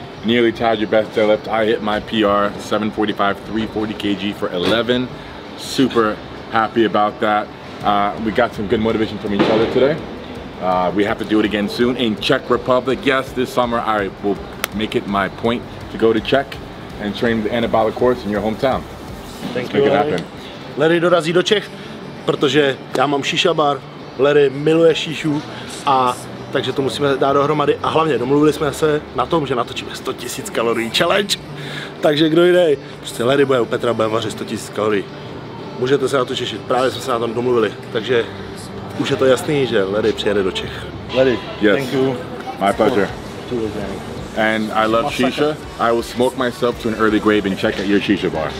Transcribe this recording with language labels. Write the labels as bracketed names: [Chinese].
[English] Nearly tied your best deadlift. I hit my PR 745, 340 kg for 11. Super happy about that. We got some good motivation from each other today. We have to do it again soon in Czech Republic. Yes, this summer I will make it my point to go to Czech and train the anabolic course in your hometown. Thank you. [Czech] Larry dorazí do Čech, protože já mám šíša bar, Larry miluje šíšu, a takže to musíme dát dohromady. A hlavně domluvili jsme se na tom, že natočíme 100 000 kalorií challenge. Takže kdo jde? Prostě Larry bude u Petra, bude vařit 100 000 kalorií. Můžete se na to těšit, právě jsme se na tom domluvili. Takže už je to jasný, že Larry přijede do Čech. [English] Larry, yes. Thank you. My pleasure. And I love shisha. I will smoke myself to an early grave and check at your shisha bar.